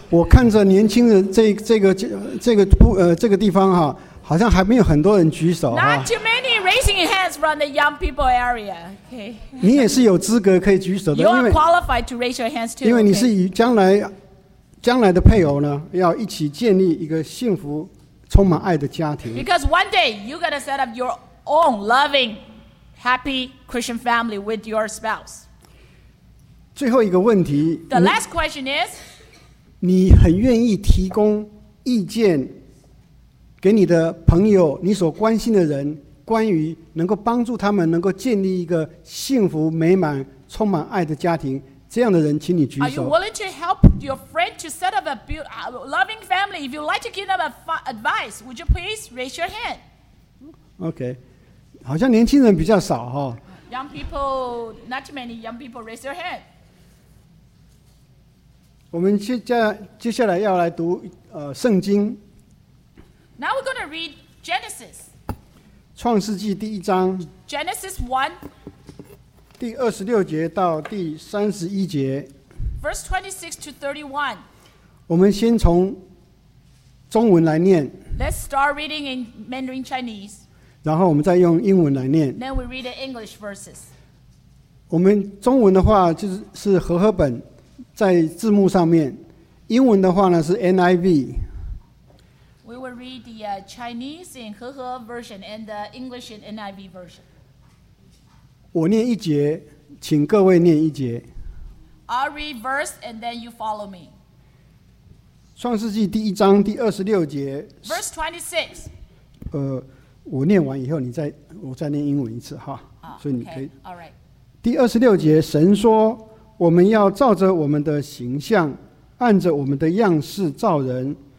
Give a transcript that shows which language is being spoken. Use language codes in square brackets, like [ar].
[zh] 我看着年轻人这个地方哈，好像还没有很多人举手。 [en] Not too many raising hands from the young people area. Okay. [zh] 你也是有资格可以举手的。 [en] You are qualified to raise your hands too. [zh] 因为你是与将来的配偶呢，要一起建立一个幸福、充满爱的家庭。 [en] Because one day you're gonna set up your own loving, happy Christian family with your spouse. [zh] 最后一个问题。 [en] The last question is. [zh] 你很愿意提供意见。给你的朋友，你所关心的人，关于能够帮助他们能够建立一个幸福美满充满爱的家庭，这样的人请你举手。 [en] Are you willing to help your friend to set up a loving family? If you'd like to give them advice, would you please raise your hand? [zh] Okay. 好像年轻人比较少哈。 [en] Young people, not too many young people raise your hand. [zh] 我们接下来要来读圣经。 [en] Now we're going to read Genesis. [zh] 创世纪第一章。 [en] Genesis 1. [zh] 第二十六节到第三十一节。 [en] Verse 26 to 31. [zh] 我们先从中文来念。 [en] Let's start reading in Mandarin Chinese. [zh] 然后我们再用英文来念。 [en] Then we read the English verses. [zh] 我们中文的话就是和合本在字幕上面，英文的话呢是 NIV。 [en] We will read the Chinese in He He version and the English in NIV version. [zh] 我念一节，请各位念一节。 [en] I'll read verse and then you follow me. [zh] 创世纪第一章第二十六节。 [en] Verse 26. [zh] 我念完以后，我再念英文一次哈。所以你可以。 [en] Okay. All right. [zh] 第二十六节，神说：“我们要照着我们的形象，按着我们的样式造人。”